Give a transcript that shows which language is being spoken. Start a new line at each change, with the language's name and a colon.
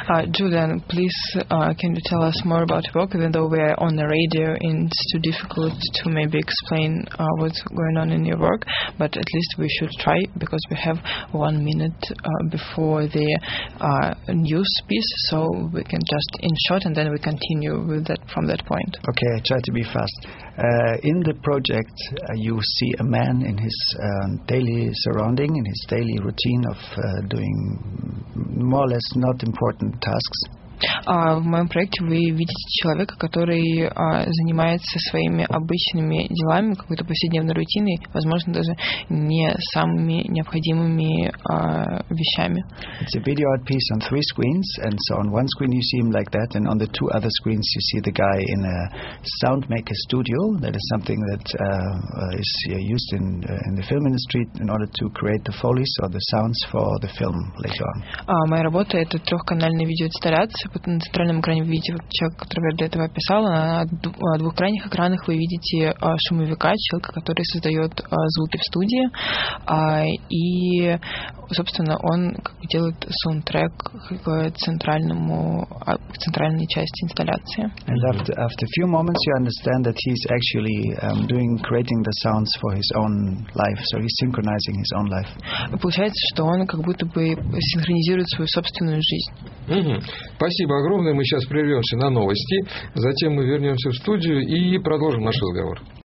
English: Julian, please, can you tell us more about your work? Even though we are on the radio, it's too difficult to maybe explain what's going on in your work, but at least we should try, because we have 1 minute before the news piece, so we can just in short, and then we continue with that from that point. Okay, I try to be fast. In the project, you see a man in his daily surrounding, in his daily routine of doing more or less not important tasks.
Russian: В моем проекте вы видите человека, который занимается своими обычными делами, какой-то повседневной рутиной, возможно, даже не самыми необходимыми вещами.
English: It's a video art piece on three screens, and so on one screen you see him like that, and on the two other screens you see the guy in a sound maker studio. That is something that is used in the film industry in order to create the foleys or the sounds for the film later on.
Russian: Моя работа — это трехканальный видеоинсталляция. На центральном экране вы видите человека, которого я для этого описала. На двух крайних экранах вы видите шумовика, человека, который создает звуки в студии. И, собственно, он делает саундтрек к центральной части инсталляции.
English: And after a few moments you understand that he's actually creating the sounds for his own life. So he's synchronizing his own life.
Russian: Получается, что он как будто бы синхронизирует свою собственную жизнь. Спасибо огромное. Мы сейчас прервемся на новости, затем мы вернемся в студию и продолжим наш разговор.